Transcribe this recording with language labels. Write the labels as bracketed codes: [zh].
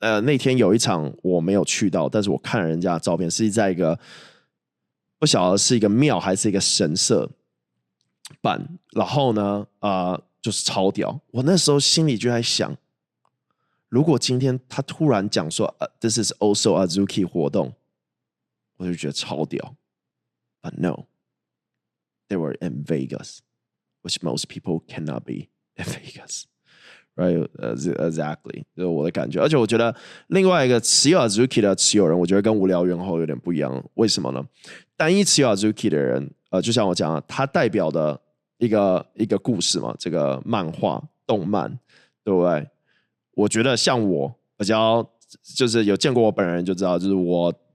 [zh] 那天有一场我没有去到，但是我看人家的照片是在一个不晓得是一个庙还是一个神社办，然后呢就是超屌。我那时候心里就在想，如果今天他突然讲说 [en] This is also Azuki [zh] 活动，我就觉得超屌。 [en] But no, they were in Vegas, which most people cannot be in Vegas, right? [zh] Exactly. 这是我的感觉。而且我觉得另外一个持有 Azuki 的持有人，我觉得跟无聊猿猴有点不一样。为什么呢？单一持有 Azuki 的人，就像我讲啊，他代表的一个故事嘛，这个漫画动漫，对不对？我觉得像我比较，就是有见过我本人就知道，就是我。